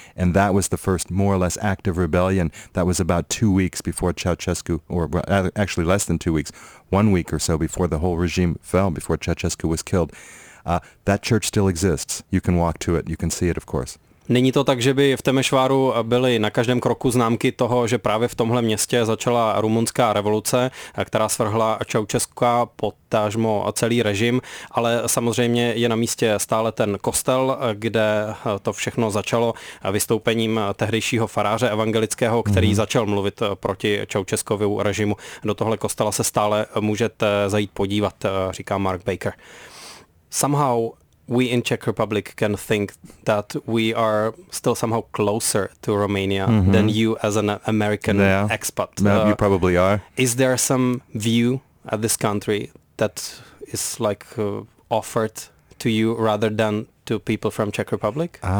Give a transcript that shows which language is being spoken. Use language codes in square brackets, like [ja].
[en] And that was the first more or less act of rebellion. That was about 2 weeks before Ceausescu, or actually less than 2 weeks, 1 week or so before the whole regime fell, before Ceausescu was killed. That church still exists. You can walk to it. You can see it, of course. [cs] Není to tak, že by v Temešváru byly na každém kroku známky toho, že právě v tomhle městě začala rumunská revoluce, která svrhla Ceausescu potažmo celý režim, ale samozřejmě je na místě stále ten kostel, kde to všechno začalo vystoupením tehdejšího faráře evangelického, který začal mluvit proti Ceausescovu režimu. Do tohle kostela se stále můžete zajít podívat, říká Mark Baker. [en] Somehow we in Czech Republic can think that we are still somehow closer to Romania than you as an American expat. You probably are. Is there some view at this country that is like offered to you rather than to people from Czech Republic?